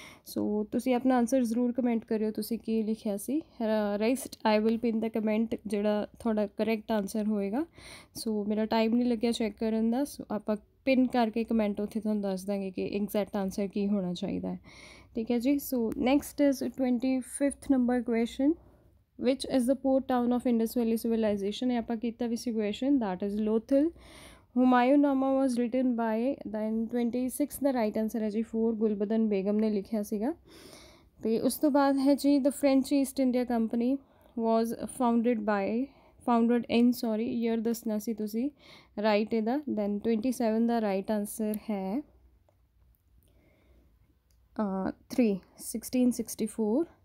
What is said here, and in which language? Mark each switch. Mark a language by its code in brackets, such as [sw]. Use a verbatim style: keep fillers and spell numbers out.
[pa] ਸੋ ਤੁਸੀਂ ਆਪਣਾ ਆਨਸਰ ਜ਼ਰੂਰ ਕਮੈਂਟ ਕਰਿਓ ਤੁਸੀਂ ਕੀ ਲਿਖਿਆ ਸੀ। Rest I will pin ਦਾ comment ਜਿਹੜਾ ਤੁਹਾਡਾ ਕਰੈਕਟ ਆਨਸਰ ਹੋਏਗਾ। ਸੋ ਮੇਰਾ ਟਾਈਮ ਨਹੀਂ ਲੱਗਿਆ ਚੈੱਕ ਕਰਨ ਦਾ, ਸੋ ਆਪਾਂ ਪਿੰਨ ਕਰਕੇ ਕਮੈਂਟ ਉੱਥੇ ਤੁਹਾਨੂੰ ਦੱਸ ਦਾਂਗੇ ਕਿ ਐਗਜ਼ੈਕਟ ਆਨਸਰ ਕੀ ਹੋਣਾ ਚਾਹੀਦਾ ਹੈ। ਠੀਕ ਹੈ ਜੀ। [en] So next is twenty fifth number question which is the port town of Indus Valley civilization। [pa] ਇਹ ਆਪਾਂ ਕੀਤਾ ਵੀ ਸੀ [en] question that is Lothal। Humayunnama was written by then twenty six ਦਾ right answer ਹੈ ਜੀ four Gulbadan Begum [pa] ਨੇ ਲਿਖਿਆ ਸੀਗਾ। ਤੇ ਉਸ ਤੋਂ ਬਾਅਦ ਹੈ ਜੀ [en] the French East India Company was founded by founded in sorry year [pa] ਦੱਸਣਾ ਸੀ ਤੁਸੀਂ [en] right ਇਹਦਾ then twenty seven ਦਾ right answer ਹੈ three sixteen sixty four।